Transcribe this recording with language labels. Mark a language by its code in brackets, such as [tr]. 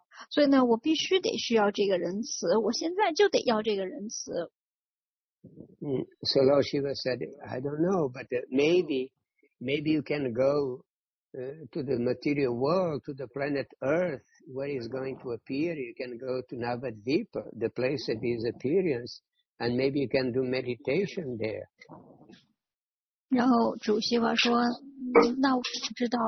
[zh] 所以呢，我必须得需要这个仁慈，我现在就得要这个仁慈。 [en] So Lord Shiva said, I don't know, but maybe you can go to the material world, to the planet Earth, where he's going to appear. You can go to Navadvipa, the place of his appearance, and maybe you can do meditation there. [zh] 然后主席话说，那我不知道。